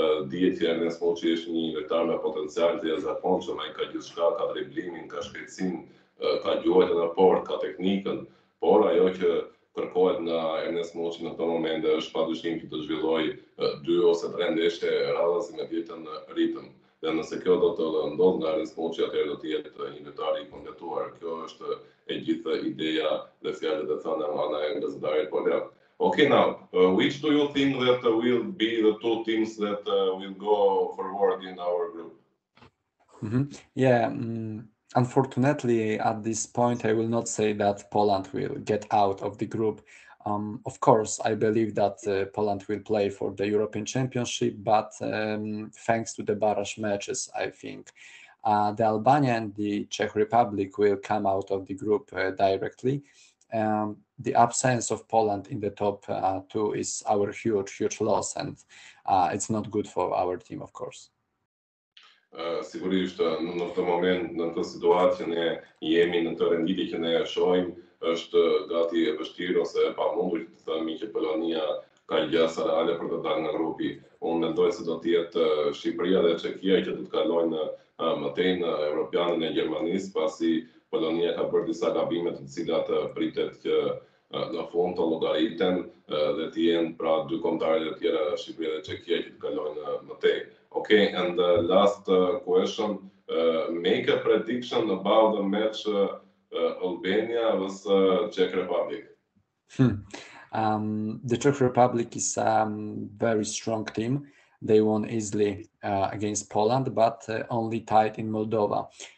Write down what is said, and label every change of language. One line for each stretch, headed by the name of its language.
Albanian: Dihet që Ernest Muçi është një lojtar me potencial të jashtëzakonshëm, ai ka gjithçka, ka driblimin, ka shpejtësinë, ka gjuajtjen e fortë, ka teknikën, por ajo që kërkohet nga Ernest Muçi në këtë moment është padyshim që të zhvillojë 2 ose 3 ndeshje radhasi me vjetën ritëm. Dhe nëse kjo do të ndodhë nga Ernest Muçi, atëherë do të jetë një lojtar I kompletuar. Kjo është e gjithë ideja dhe fjalët e thënë nga ana e gazetarit polak.
English: Okay, now, which do you think that will be the two teams that will go forward in our group? Unfortunately, at this point, I will not say that Poland will get out of the group. Of course, I believe that Poland will play for the European Championship, but thanks to the Barash matches, I think. The Albania and the Czech Republic will come out of the group directly. The absence of Poland in the top two is our huge, huge loss, and it's not good for our team, of course.
Albanian: Sigurisht, në këtë moment, në këtë situatë që ne jemi në të renditje që ne e shohim, është gati e vështirë ose e pamundur që të themi që Polonia ka gjasa reale për të dalë nga grupi. Unë mendoj se do të jetë Shqipëria dhe Çekia që do të kalojnë mëtej në Europianin e Gjermanisë, pasi Polonia ka bërë disa gabime të cilat pritet që në fund të llogariten dhe të jenë pra dy kombëtarët e tjerë, Shqipëria dhe Çekia, që të kalojnë mëtej.
English: Okay, and the last question, make a prediction about the match Albania vs Czech Republic. The Czech Republic is a very strong team. They won easily against Poland, but only tied in Moldova.